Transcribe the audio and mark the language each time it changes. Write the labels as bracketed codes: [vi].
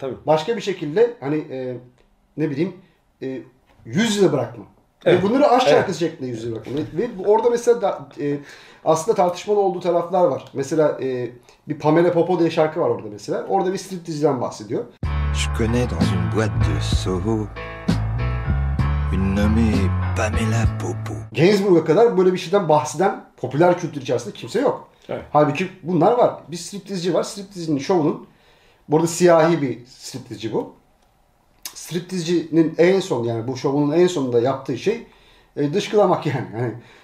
[tr] Tabii. Başka bir şekilde hani ne bileyim yüz yüze bırakma. Evet. Bunları aşk şarkısı şeklinde yüz yüze bırakma. Ve orada mesela da, aslında tartışmalı olduğu taraflar var. Mesela bir Pamela Popo diye şarkı var orada mesela. Orada bir strip diziden bahsediyor. [fr] Je connais dans une boîte de Soho une nommée Pamela Popo. [tr] Gainsbourg'a kadar böyle bir şeyden bahseden popüler kültür içerisinde kimse yok. Evet. Halbuki bunlar var. Bir strip dizici var. Strip dizinin şovunun, burada siyahi bir strip dizici bu. Strip dizicinin en son, yani bu şovunun en sonunda yaptığı şey dışkılamak yani.